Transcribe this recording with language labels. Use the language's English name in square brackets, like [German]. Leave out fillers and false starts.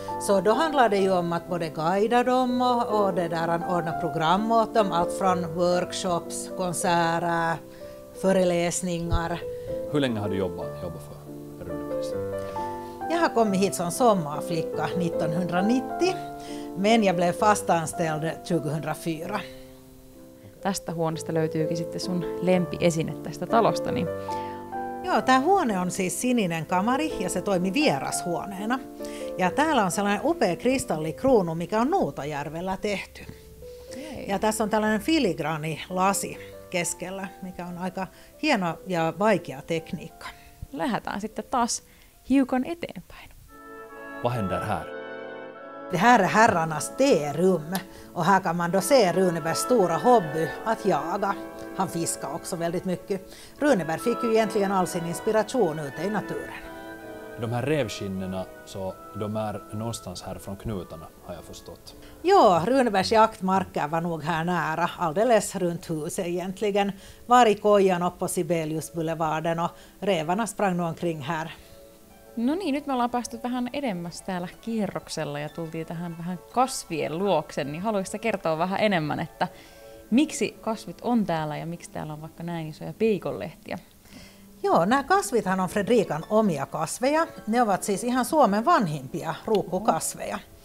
[Swedish] Så då handlar det ju om att både guida dem och det där att ordna program åt dem, allt från workshops, konserter, föreläsningar. Hur länge har du jobbat för Runebergs? Jag har kommit hit som sommarflicka 1990, men jag blev fastanställd 2004. [Finnish] Tästä huoneesta löytyykin sitten sun lempiesine tästä talosta. Niin... Joo, tämä huone on siis sininen kamari ja se toimi vierashuoneena. Ja täällä on sellainen upea kristallikruunu, mikä on Nuutajärvellä tehty. Ja tässä on tällainen filigraanilasi keskellä, mikä on aika hieno ja vaikea tekniikka. Lähdetään sitten taas hiukan eteenpäin. [Swedish] Vad händer här? Det här är herrarnas te-rum. Och här kan man då se Runebergs stora hobby, att jaga. Han fiskar också väldigt mycket. Runeberg fick ju egentligen all sin inspiration ute i naturen. De här revskinnena, så de är någonstans här från knutarna, har jag förstått. Jo, Runebergs jaktmarker var nog här nära, alldeles runt huset egentligen. Var i kojan upp på Sibeliusboulevarden och revarna sprang nog omkring här. [Finnish] No niin, nyt me ollaan päästy vähän edemmäs täällä kierroksella ja tultiin tähän vähän kasvien luokse, niin haluaisitko kertoa vähän enemmän, että miksi kasvit on täällä ja miksi täällä on vaikka näin isoja peikonlehtiä? Joo, nämä kasvithan on Fredrikan omia kasveja. Ne ovat siis ihan Suomen vanhimpia ruukkukasveja.